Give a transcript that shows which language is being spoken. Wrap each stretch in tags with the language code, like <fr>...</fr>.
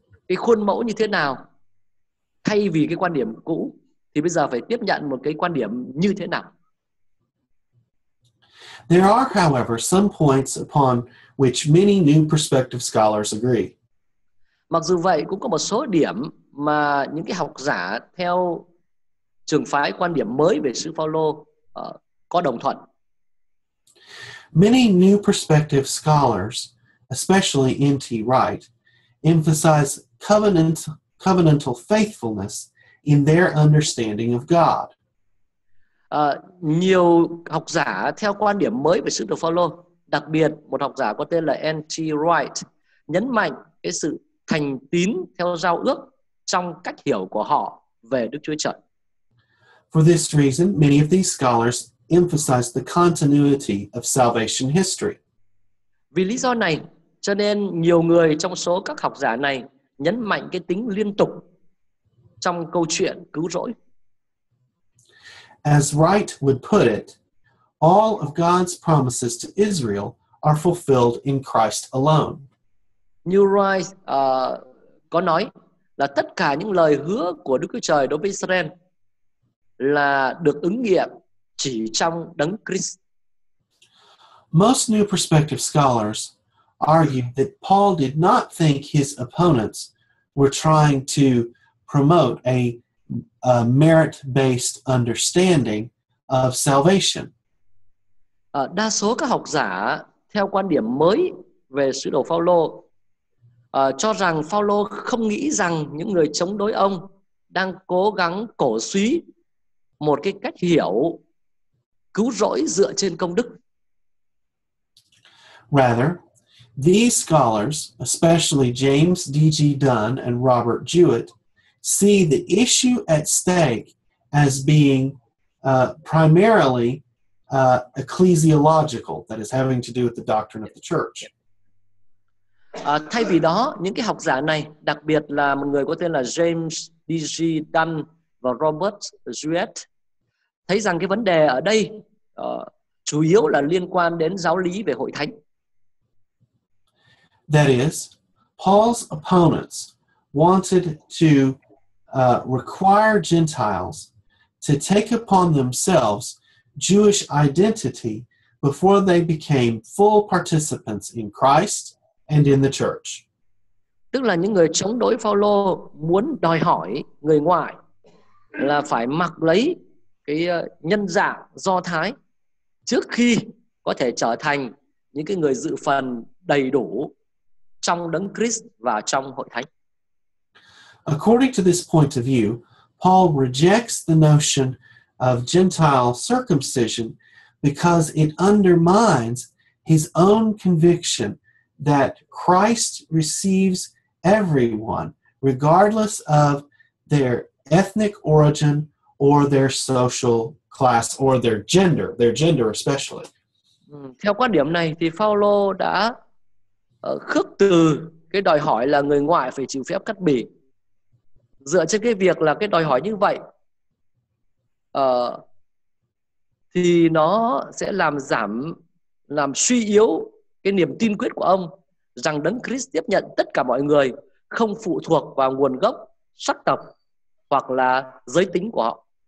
<vi>cái khuôn mẫu như thế nào, thay vì cái quan điểm cũ thì bây giờ phải tiếp nhận một cái quan điểm như thế nào.</vi> <en>There are, however, some points upon which many new prospective scholars agree.</en> <vi>Mặc dù vậy, cũng có một số điểm mà những cái học giả theo trường phái quan điểm mới về sứ Phaolô có đồng thuận.</vi> <en>Many new prospective scholars, especially N.T. Wright, emphasize covenantal faithfulness in their understanding of God.</en> <vi>Nhiều học giả theo quan điểm mới về sứ đồ Phaolô, đặc biệt một học giả có tên là N.T. Wright, nhấn mạnh cái sự thành tín theo giao ước trong cách hiểu của họ về Đức Chúa Trời.</vi> <en>For this reason, many of these scholars emphasize the continuity of salvation history.</en> <vi>Vì lý do này, cho nên nhiều người trong số các học giả này nhấn mạnh cái tính liên tục trong câu chuyện cứu rỗi.</vi> <en>As Wright would put it, all of God's promises to Israel are fulfilled in Christ alone.</en> <vi>Như Wright có nói là tất cả những lời hứa của Đức Chúa Trời đối với Israel là được ứng nghiệm chỉ trong Đấng Christ.</vi> <en>Most new prospective scholars argue that Paul did not think his opponents were trying to promote a merit-based understanding of salvation.</en> <vi>Đa số các học giả theo quan điểm mới về sứ đồ Phaolô cho rằng Phaolô không nghĩ rằng những người chống đối ông đang cố gắng cổ suý một cái cách hiểu cứu rỗi dựa trên công đức.</vi> <en>Rather, these scholars, especially James D.G. Dunn and Robert Jewett, see the issue at stake as being primarily ecclesiological, that is having to do with the doctrine of the church.</en> <vi>Thay vì đó, những cái học giả này, đặc biệt là một người có tên là James D.G. Dunn và Robert Jewett, thấy rằng cái vấn đề ở đây chủ yếu là liên quan đến giáo lý về hội thánh.</vi> <en>That is, Paul's opponents wanted to require Gentiles to take upon themselves Jewish identity before they became full participants in Christ and in the church.</en> <vi>Tức là những người chống đối Phaolô muốn đòi hỏi người ngoài là phải mặc lấy cái nhân dạng Do Thái trước khi có thể trở thành những cái người dự phần đầy đủ trong Đấng Christ và trong hội thánh.</vi> <en>According to this point of view, Paul rejects the notion of Gentile circumcision because it undermines his own conviction that Christ receives everyone, regardless of their ethnic origin or their social class or their gender especially.</en> <vi>Theo quan điểm này thì Phaolô đã khước từ cái đòi hỏi là người ngoại phải chịu phép cắt bì. Dựa trên cái việc là cái đòi hỏi như vậy thì nó sẽ làm suy yếu cái niềm tin quyết của ông rằng Đấng Christ tiếp nhận tất cả mọi người không phụ thuộc vào nguồn gốc, sắc tộc hoặc là giới tính của họ.</vi>